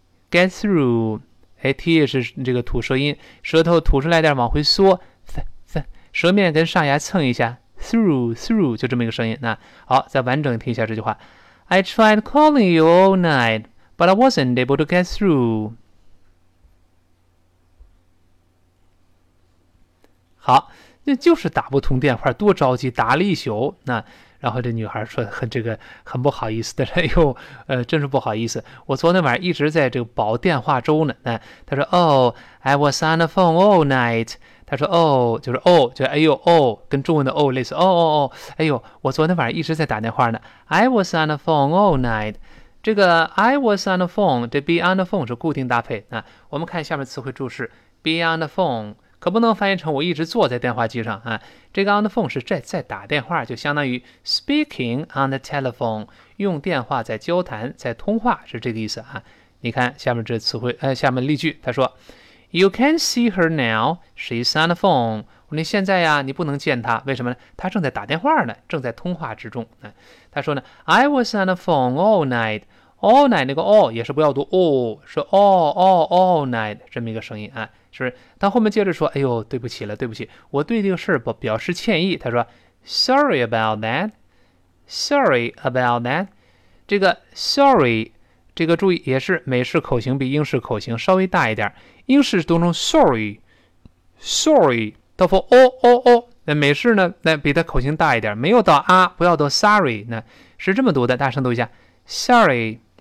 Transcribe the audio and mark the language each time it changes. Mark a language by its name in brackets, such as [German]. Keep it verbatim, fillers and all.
[English] get through、 [Chinese] 哎、t 也是这个吐舌音，舌头吐出来点往回缩，舌面跟上牙蹭一下 through through 就这么一个声音。那好，再完整听一下这句话 [English] I tried calling you all night but I wasn't able to get through [Chinese] 好，那就是打不通电话，多着急，打了一宿。那然后这女孩说很这个很不好意思的，哎呦，呃，真是不好意思，我昨天晚上一直在这个煲电话粥呢。那她说 [English] ，Oh, I was on the phone all night。 [Chinese] 她说 ，Oh， 就是 Oh， 就哎呦 Oh， 跟中文的 Oh 类似。哦哦哦，哎呦，我昨天晚上一直在打电话呢。 [English] I was on the phone all night。 这个 I was on the phone， 这 be on the phone [Chinese] 是固定搭配。那我们看下面词汇注释 ，be on the phone。可不能翻译成我一直坐在电话机上啊！这个 on the phone 是在在打电话，就相当于 [English] speaking on the telephone， [Chinese] 用电话在交谈，在通话，是这个意思啊！你看下面这词汇，呃，下面例句，他说 ， [English] You can see her now, she's on the phone。 [Chinese] 我说现在呀，你不能见她，为什么呢？她正在打电话呢，正在通话之中。啊、他说呢 [English] ，I was on the phone all night。 [Chinese] all night 那个 all 也是不要读 all， 是 all all all night 这么一个声音啊，是不是？他后面接着说，哎呦，对不起了，对不起，我对这个事表表示歉意。他说 ， [English] sorry about that， [Chinese] sorry about that， 这个 sorry 这个注意也是美式口型比英式口型稍微大一点，英式读成 sorry sorry， 到 for all all all， 那美式呢，那比它口型大一点，没有到啊，不要到 sorry， 那是这么读的，大声读一下 sorry。